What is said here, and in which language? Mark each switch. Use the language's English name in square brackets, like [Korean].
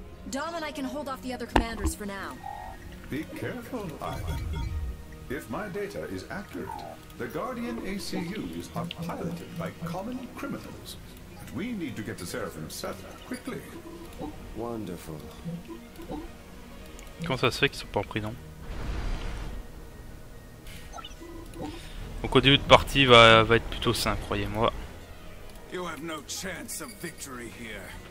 [English] Dom and I can hold off the other commanders for now. Be careful, Ivan. If my data is accurate, the Guardian ACUs are piloted by common criminals. But we need to get to Seraphim 7 quickly. Wonderful. [French] Comment ça se fait qu'ils sont pas en prison? Donc au début de partie va être plutôt simple, croyez-moi. [English] You have no chance of victory here.